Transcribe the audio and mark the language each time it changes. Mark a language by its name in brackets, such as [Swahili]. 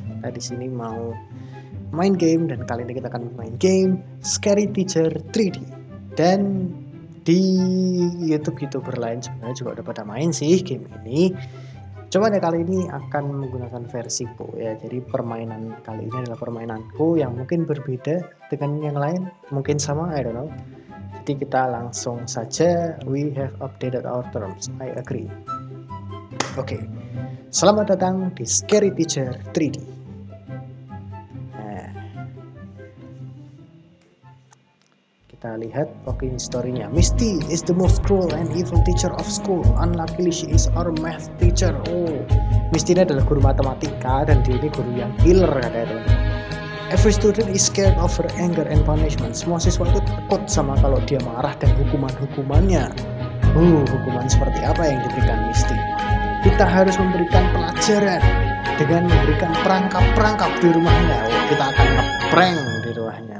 [Indonesian] Kita di sini mau main game, dan kali ini kita akan main game Scary Teacher 3D. Dan di YouTube-YouTuber lain sebenarnya juga udah pada main sih game ini. Cuma ya kali ini akan menggunakan versiku ya. Jadi permainan kali ini adalah permainanku yang mungkin berbeda dengan yang lain. Mungkin sama, [English] I don't know. [Indonesian] Jadi kita langsung saja, [English] we have updated our terms, I agree. [Indonesian] Oke, selamat datang di Scary Teacher 3D. Nah, kita lihat poking story-nya. [English] Misty is the most cruel and evil teacher of school. Unluckily she is our math teacher. [Indonesian] Oh, Misty ini adalah guru matematika dan dia ini guru yang killer katanya. [English] Every student is scared of her anger and punishment. [Indonesian] Semua siswa itu takut sama kalau dia marah dan hukuman-hukumannya. Hukuman seperti apa yang diberikan Misty? Kita harus memberikan pelajaran dengan memberikan perangkap-perangkap di rumahnya. Oh, kita akan ngeprank di rumahnya.